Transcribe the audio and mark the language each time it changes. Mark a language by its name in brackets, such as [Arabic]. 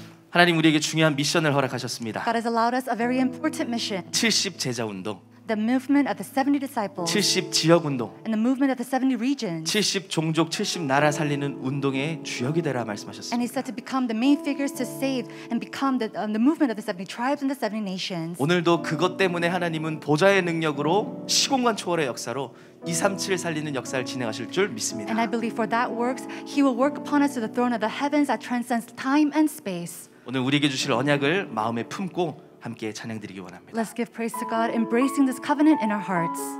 [Korean] 하나님 우리에게 중요한 미션을 허락하셨습니다. [English] God has allowed us a very important mission. [Korean] 70 제자 운동. [English] the movement of the 70 disciples, [Korean] 70 지역 운동, [English] and the movement of the 70 regions, [Korean] 70 종족, 70 나라 살리는 운동의 주역이 되라 말씀하셨습니다. [English] And he said to become the main figures to save and become the movement of the 70 tribes and the 70 nations. [Korean] 오늘도 그것 때문에 하나님은 보좌의 능력으로 시공간 초월의 역사로 237 살리는 역사를 진행하실 줄 믿습니다. [English] And I believe for that works, he will work upon us to the throne of the heavens that transcends time and space. [Korean] 오늘 우리에게 주실 언약을 마음에 품고 함께 찬양 드리기 원합니다. [English] Let's give praise to God, embracing this covenant in our hearts.